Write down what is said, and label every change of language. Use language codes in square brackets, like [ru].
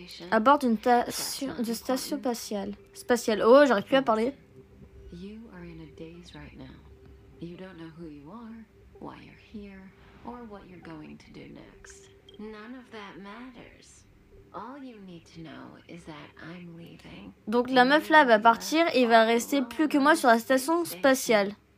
[fr] À bord d'une station spatiale. Spatiale. Oh, j'arrive plus à parler. [en] You are in a daze right now. You don't know who you are, why you're here, or what you're going to do next. None of that matters. All you need to know is that I'm leaving. [fr] Donc la meuf là va partir et va rester plus que moi sur la station spatiale.